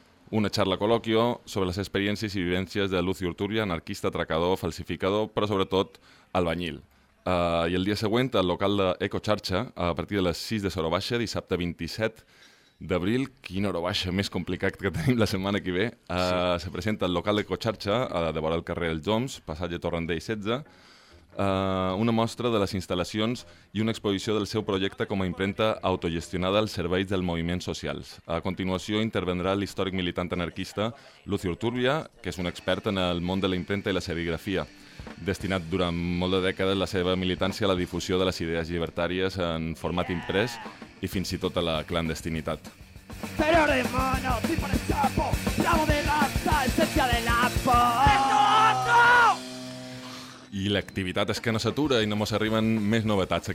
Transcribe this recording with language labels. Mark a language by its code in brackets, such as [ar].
[es] Una charla coloquio sobre las experiencias y vivencias de Lucio Urtubia, anarquista, atracador, falsificador, pero sobre todo albañil. [ca] I el dia següent al local de Eco Charcha, a partir de les 6 de sora baixa, dissabte 27 d'abril, quina hora baixa més complicat que tenim la setmana que ve, se presenta al local de Cotxarxa, de vora el carrer Els Joms, passatge Torrandell 16, una mostra de les instal·lacions i una exposició del seu projecte com a impremta autogestionada als serveis dels moviments socials. A continuació intervendrà l'històric militant anarquista Lucio Urtubia, que és un expert en el món de la impremta i la serigrafia, destinat durant molt de dècades la seva militància a la difusió de les idees llibertàries en format imprès i fins i tot a la clandestinitat. Pero de mano, si por el chapo, bravo de raza, esencia de la [es] por. ¡No, no! [ca] I l'activitat és que no s'atura i no mos arriben més novetats.